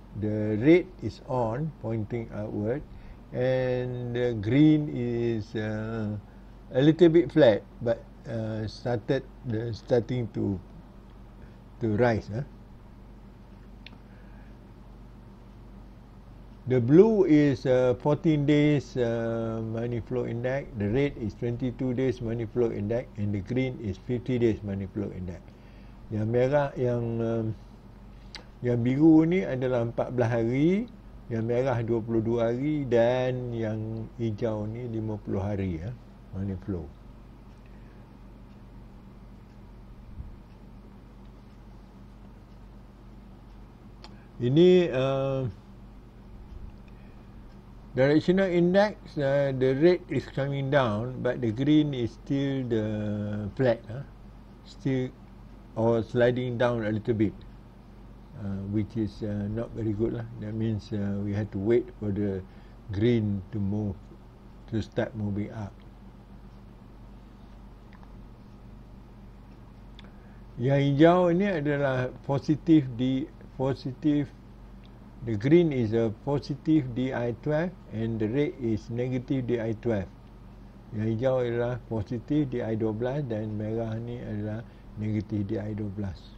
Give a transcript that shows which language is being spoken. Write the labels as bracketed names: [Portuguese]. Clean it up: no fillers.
[English] The red is on, pointing outward, and the green is a little bit flat, but starting to rise. The blue is 14 days money flow index, the red is 22 days money flow index, and the green is 50 days money flow index. [Malay] Yang merah, yang biru ni adalah 14 hari, yang merah 22 hari dan yang hijau ni 50 hari [English] money flow. Ini directional index, the red is coming down but the green is still the flat, still or sliding down a little bit. Which is not very good lah. That means we have to wait for the green to move, to start moving up. [Malay] Yang hijau ini adalah positive di positive. [English] The green is a positive DI12 and the red is negative DI12. [Malay] Yang hijau adalah positive DI12 dan merah ni adalah negative DI12.